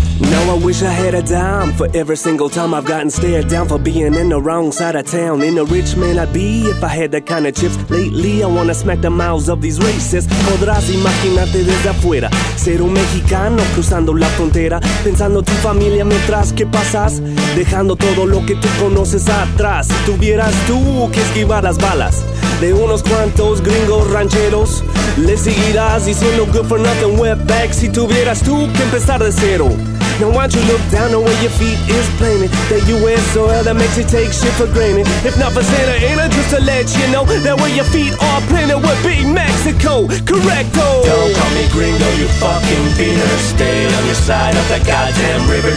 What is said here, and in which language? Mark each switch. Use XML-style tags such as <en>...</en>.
<en>Now I wish I had a dime for every single time I've gotten stared down for being in the wrong side of town. In a rich man I'd be if I had that kind of chips. Lately I wanna smack the mouths of these racists.</en> <es>Podrás imaginarte desde afuera ser un mexicano cruzando la frontera, pensando tu familia mientras que pasas, dejando todo lo que tú conoces atrás. Si tuvieras tú que esquivar las balas de unos cuantos gringos rancheros, le seguirás diciendo</es> <en>good for nothing, we're back.</en> <es>Si tuvieras tú que empezar de cero.</es> <en>Now why don't you look down on where your feet is planted? The U.S. soil that makes you take shit for granted. If not for Santa Ana, just to let you know that where your feet are planted would be Mexico. Correcto. Don't call me gringo, you fucking beaner. Stay on your side of that goddamn river.</en>